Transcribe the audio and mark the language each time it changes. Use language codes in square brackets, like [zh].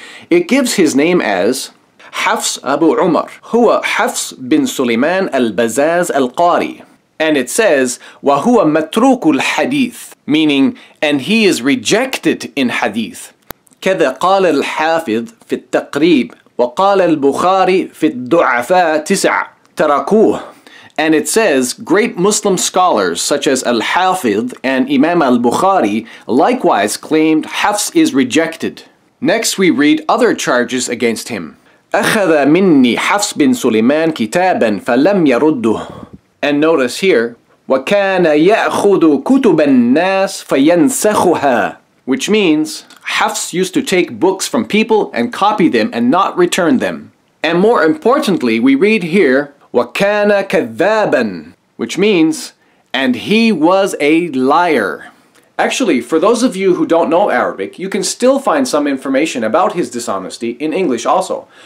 [en] It gives his name as Hafs Abu Umar, huwa Hafs bin Sulayman al-Bazaz al-Qari. And it says, [ar] وَهُوَ مَتْرُوكُ الْحَدِيثِ [en] meaning, and he is rejected in hadith. [ar] كَذَا قَالَ الْحَافِظ فِي التَّقْرِيبِ وقال البخاري في الضعفاء تسعة تركوه. [en] And it says, great Muslim scholars such as Al-Hafid and Imam Al-Bukhari likewise claimed Hafs is rejected. Next, we read other charges against him. [ar] أخذ مني حفص بن سليمان كتابا فلم يرده. [en] And notice here, [ar] وكان يأخذ كتب الناس فينسخها. [en] Which means, Hafs used to take books from people and copy them and not return them. And more importantly, we read here, [ar] وَكَانَ كَذَّابًا, [en] which means, and he was a liar. Actually, for those of you who don't know Arabic, you can still find some information about his dishonesty in English also.